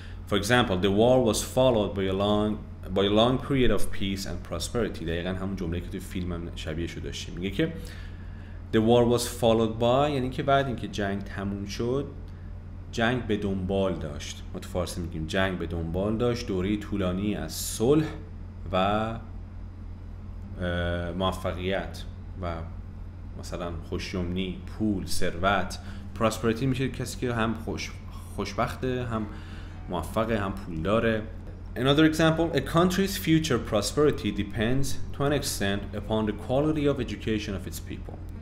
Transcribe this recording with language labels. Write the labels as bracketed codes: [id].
[en] For example, the war was followed by a long period of peace and prosperity. [fa] دقیقا همون جمله که تو فیلم هم شبیه شده داشته. میگه که [en] the war was followed by، [fa] یعنی که بعد اینکه جنگ تموم شد، جنگ به دنبال داشت. ما تو فارسی میگیم جنگ به دنبال داشت دوره طولانی از صلح و موفقیت و مثلا خوشیومنی، پول، ثروت. پراسپریتی میشه کسی که هم خوشبخته، هم موفقه، هم پول داره. [en] Another example, a country's future prosperity depends to an extent upon the quality of education of its people.